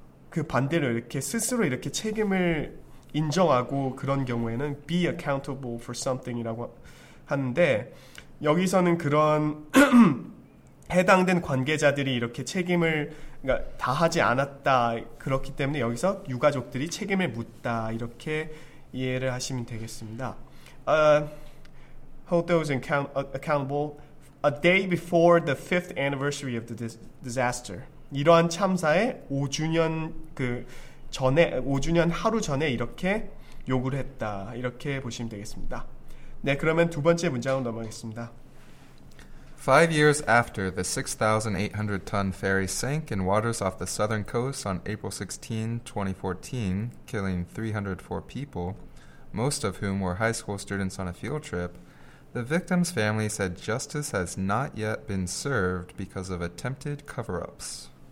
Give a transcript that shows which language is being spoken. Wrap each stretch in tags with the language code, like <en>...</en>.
<ko>그 반대로 이렇게 스스로 이렇게 책임을 인정하고 그런 경우에는</ko> <en>be accountable for something</en> <ko>이라고 하는데 여기서는 그런 해당된 관계자들이 이렇게 책임을 그러니까 다 하지 않았다 그렇기 때문에 여기서 유가족들이 책임을 묻다 이렇게 이해를 하시면 되겠습니다.</ko> <en>Hold those accountable a day before the fifth anniversary of the disaster.</en> <ko>이러한 참사에 5주년 그 전에 5주년 하루 전에 이렇게 요구를 했다. 이렇게 보시면 되겠습니다. 네, 그러면 두 번째 문장으로 넘어가겠습니다.</ko> <en>5 years after the 6,800 ton ferry sank in waters off the southern coast on April 16, 2014, killing 304 people, most of whom were high school students on a field trip. The victim's family said justice has not yet been served because of attempted cover-ups.</en>